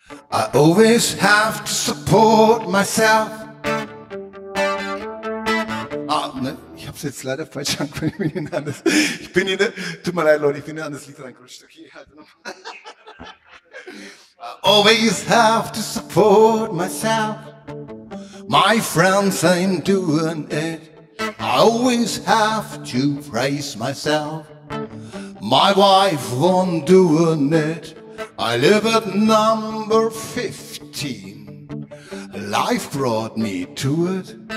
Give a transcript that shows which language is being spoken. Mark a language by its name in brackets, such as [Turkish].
[English] I always have to support myself. [German] Ah, ne, ich hab's jetzt leider falsch angefangen. Ich bin in anders. Ich bin in der. Tut mir leid, Leute, ich bin in anders Lied reingerutscht. Okay, halt [English] nochmal. I always have to support myself. My friends ain't doing it. I always have to praise myself. My wife won't doing it. I live at number 15. Life brought me to it.